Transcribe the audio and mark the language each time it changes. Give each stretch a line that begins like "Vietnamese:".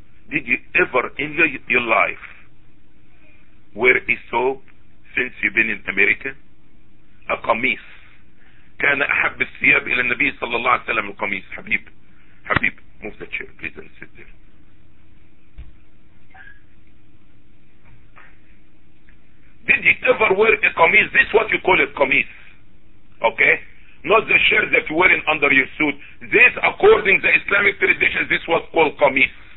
English: Did you ever in your life wear a soap since you've been in America? A qamis.
Arabic: كان أحب الثياب إلى النبي صلى الله عليه وسلم القميص.
English: حبيب move the chair please and sit there. Did you ever wear a qamis? This is what you call a qamis, okay? Not the shirt that you're wearing under your suit. This, according to the Islamic tradition, this was called qamis.